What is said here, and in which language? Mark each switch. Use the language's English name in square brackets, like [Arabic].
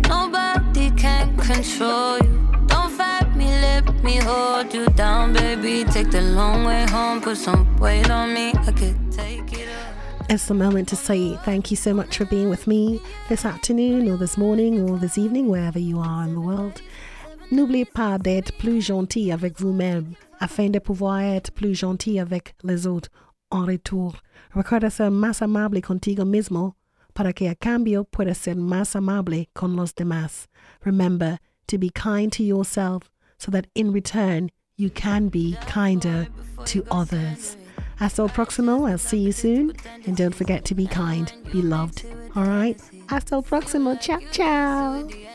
[English] Nobody can control you. Don't fight me, let me hold you down, baby. Take the long way home, put some weight on me. I could take it up. It's the moment to say thank you so much for being with me this afternoon, or this morning, or this evening, wherever you are in the world. [French] N'oubliez pas d'être plus gentil avec vous-même afin de pouvoir être plus gentil avec les autres en retour. [Spanish] Recuerda ser más amable contigo mismo para que a cambio pueda ser más amable con los demás. [English] Remember to be kind to yourself so that in return you can be kinder to others. [Spanish] Hasta el próximo, [English] I'll see you soon. And don't forget to be kind, be loved. All right? [Spanish] Hasta el próximo, ciao, ciao.